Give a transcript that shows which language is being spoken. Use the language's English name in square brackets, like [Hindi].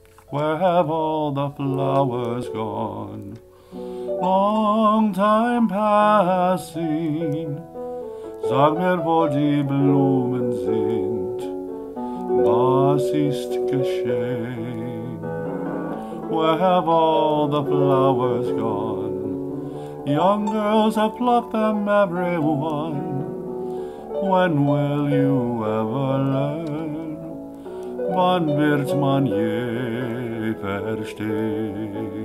[English] Where have all the flowers gone? Long time passing, [German] sag mir, wo die Blumen sind, was ist geschehen? [English] Where have all the flowers gone? Young girls have plucked them, every one. When will you ever learn? [German] Wann wird man je verstehen?